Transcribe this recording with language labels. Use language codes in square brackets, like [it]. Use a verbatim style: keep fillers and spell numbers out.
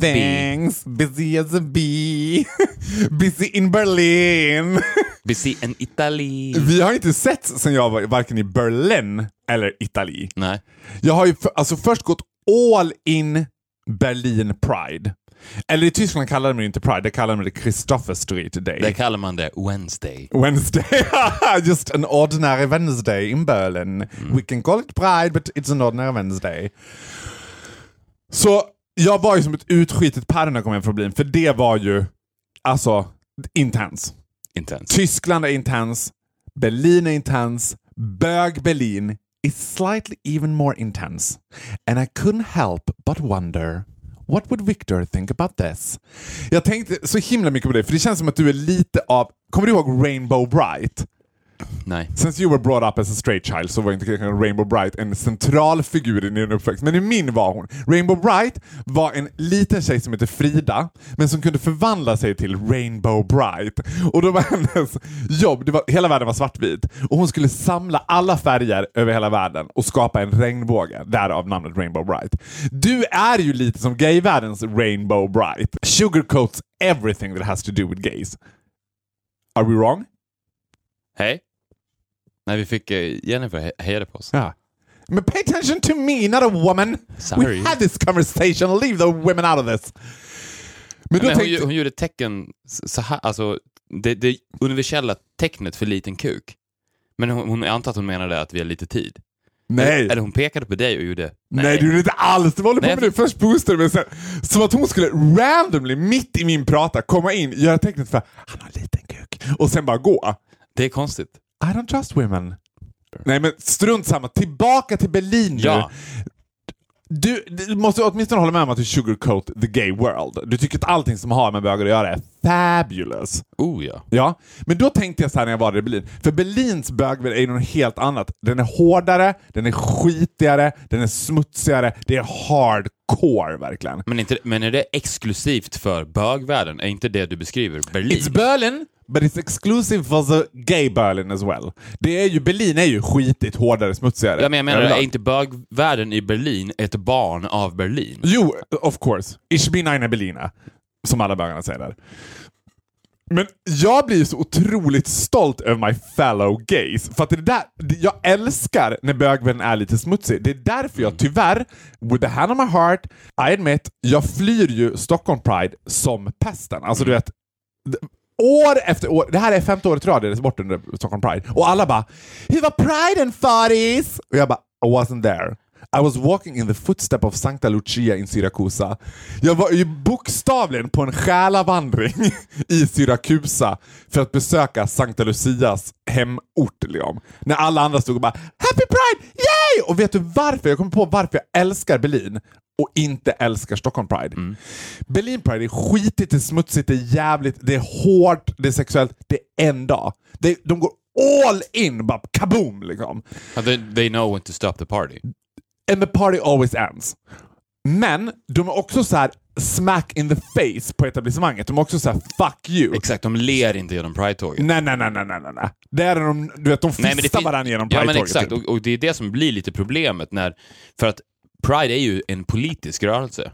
[en] things. Bee. Busy as a bee. Busy in Berlin. Busy in Italy. [sv] Vi har inte sett sen jag var varken i Berlin eller Italy. Nej. Jag har ju för, alltså först gått all in Berlin Pride. Eller i Tyskland kallar de det inte Pride, det kallar de det Christopher Street Day. Det kallar man det Wednesday. [en] Wednesday, just an ordinary Wednesday in Berlin. Mm. We can call it Pride, but it's an ordinary Wednesday. Så [sv] Jag var ju som ett utskitet pärr när jag kom hem från Berlin. För det var ju, alltså, intens. Intens. Tyskland är intens. Berlin är intens. Bög [en] Berlin is slightly even more intense. And I couldn't help but wonder, what would Victor think about this? [sv] Jag tänkte så himla mycket på det. För det känns som att du är lite av... Kommer du ihåg Rainbow Bright? Nej. [en] Since you were brought up as a straight child [sv] så var inte Rainbow Bright en central figur i din uppväxt. Men i min var hon. Rainbow Bright var en liten tjej som hette Frida, men som kunde förvandla sig till Rainbow Bright. Och då var hennes jobb, det var, hela världen var svartvit. Och hon skulle samla alla färger över hela världen och skapa en regnbåge. Därav namnet Rainbow Bright. Du är ju lite som gayvärldens Rainbow Bright. [en] Sugarcoats everything that has to do with gays. Are we wrong? [sv] Hej. Nej, vi fick Jennifer hejade på oss. Ja. [en] Men pay attention to me, not a woman. Sorry. We had this conversation. Leave the women out of this. [sv] Men, men hon, tänkte... hon gjorde tecken så här, alltså det, det universella tecknet för liten kuk. Men hon, hon antar att hon menade att vi har lite tid. Nej. Eller hon pekade på dig och gjorde... Nej, nej, du gjorde inte alls. Det var håller på med det. Först boostade men sen... Som att hon skulle randomly, mitt i min prata, komma in, göra tecknet för han har en liten kuk. Och sen bara gå. Det är konstigt. [en] I don't trust women. [sv] Nej, men strunt samma. Tillbaka till Berlin. Ja. Du, du måste åtminstone hålla med om att du [en] sugarcoat the gay world. [sv] Du tycker att allting som har med bögar att göra är fabulous. Oh ja. Ja, men då tänkte jag så här när jag var i Berlin. För Berlins bögvärld är ju något helt annat. Den är hårdare, den är skitigare, den är smutsigare. Det är hardcore verkligen. Men, inte, men är det exklusivt för bögvärlden? Är inte det du beskriver Berlin? [en] It's Berlin! But it's exclusive for the gay Berlin as well. [sv] Det är ju, Berlin är ju skitigt hårdare, smutsigare. Ja, men jag menar, är inte bögvärlden i Berlin ett barn av Berlin? Jo, [en] of course. [de] Ich bin eine Berliner, [sv] som alla bögarna säger där. Men jag blir så otroligt stolt över [en] my fellow gays. [sv] För att det där, jag älskar när bögvärlden är lite smutsig. Det är därför jag tyvärr, [en] with the hand on my heart, I admit, [sv] jag flyr ju Stockholm Pride som pesten. Alltså du vet... År efter år, det här är femte året rad, det är bort under Stockholm Pride. Och alla bara, hur var Priden fattis? Och jag bara, [en] I wasn't there. I was walking in the footstep of Santa Lucia in Syrakusa. [sv] Jag var ju bokstavligen på en själavandring i Syrakusa för att besöka Santa Lucias hemort. Liksom. När alla andra stod och bara, [en] Happy Pride, yay! [sv] Och vet du varför? Jag kommer på varför jag älskar Berlin. Och inte älskar Stockholm Pride. Mm. Berlin Pride är skitigt, det är smutsigt, det är jävligt, det är hårt, det är sexuellt. Det är en dag. Det, de går all in, bara kaboom liksom. [en] They, they know when to stop the party. And the party always ends. [sv] Men de är också så här [en] smack in the face [sv] på etablissemanget. De är också så här fuck you. Exakt, de ler inte genom Pride-tåget. Nej, nej, nej, nej, nej, nej. Det är de, du vet, de fistar nej, fin- varandra genom Pride-tåget. Ja, men exakt. Och, och det är det som blir lite problemet när, för att Pride är ju en politisk rörelse.